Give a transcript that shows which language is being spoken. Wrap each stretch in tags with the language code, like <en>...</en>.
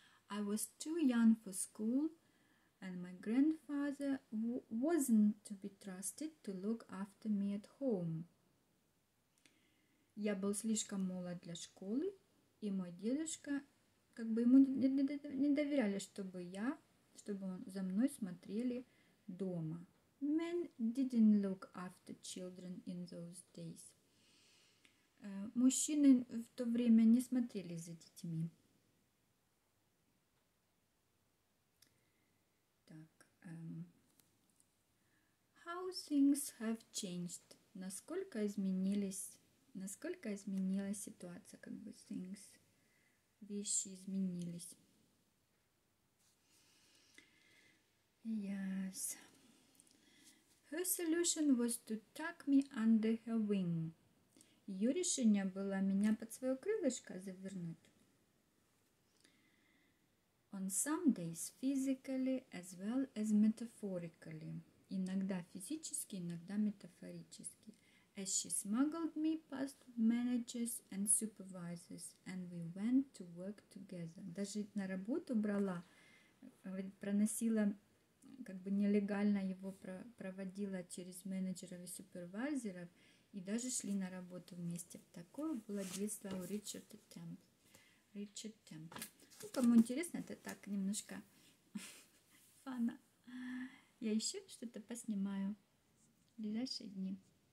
<en>I was too young for school, and my grandfather wasn't to be trusted to look after me at home.</en> <ru>Я был слишком молод для школы, и мой дедушка, как бы ему не доверяли, чтобы я, чтобы он за мной смотрели дома.</ru> <en>Men didn't look after children in those days.</en> <ru>Мужчины в то время не смотрели за детьми.</ru> <en>Так, how things have changed?</en> <ru>Насколько изменилась ситуация, как бы</ru> <en>things,</en> <ru>вещи изменились.</ru> <en>Yes. Her solution was to tuck me under her wing.</en> <ru>Ее решение было меня под свое крылышко завернуть.</ru> <en>On some days physically as well as metaphorically.</en> <ru>Иногда физически, иногда метафорически.</ru> <en>As she smuggled me past managers and supervisors, and we went to work together.</en> <ru>Даже на работу брала, проносила, как бы нелегально его проводила через менеджеров и супервайзеров, и даже шли на работу вместе. Такое было детство у Ричарда Темпла. Ричард Темпл. Ну, кому интересно, это так немножко фана. Я еще что-то поснимаю в ближайшие дни.</ru>